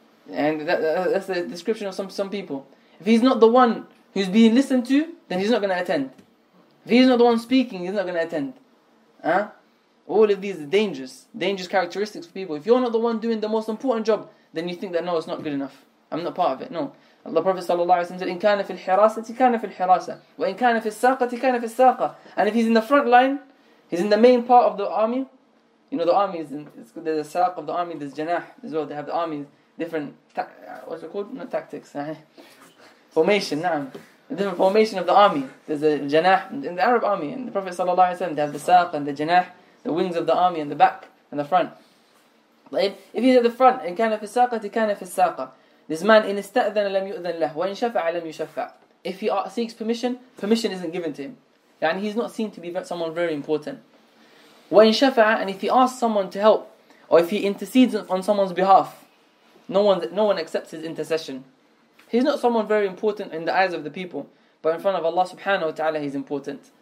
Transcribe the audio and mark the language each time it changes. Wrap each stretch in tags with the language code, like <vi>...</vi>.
<en>And that's the description of some people. If he's not the one who's being listened to, then he's not going to attend. If he's not the one speaking, he's not going to attend. Huh? All of these are dangerous characteristics for people. If you're not the one doing the most important job, then you think that, no, it's not good enough. I'm not part of it. No. The Prophet ﷺ said,</en> <ar>إِنْ كَانَ فِي الْحِرَاسَةِ كَانَ فِي الْحِرَاسَةِ وَإِنْ كَانَ فِي السَّاقَةِ كَانَ فِي السَّاقَةِ.</ar> <en>And if he's in the front line, he's in the main part of the army. You know, the army is in, it's, there's a saq of the army, there's janah as well. They have the army, different, what's it called? Not tactics. Formation, na'am. A different formation of the army. There's a janah in the Arab army. And the Prophet ﷺ, they have the saq and the janah, the wings of the army and the back and the front. But if he's at the front,</en> <ar>إِنْ كَانَ فِي السَّاقَةِ كَانَ فِي السَّاقَةِ.</ar> <en>This man,</en> <ar>إِنْ إِسْتَأْذَنَ لَمْ يُؤْذَنْ لَهُ وَإِنْ شَفَعَ لَمْ يُشَفَعَ.</ar> <en>If he seeks permission, permission isn't given to him. And he's not seen to be someone very important.</en> <ar>وَإِنْ شَفَعَ.</ar> <en>And if he asks someone to help, or if he intercedes on someone's behalf, no one accepts his intercession. He's not someone very important in the eyes of the people, but in front of Allah subhanahu wa ta'ala, he's important.</en>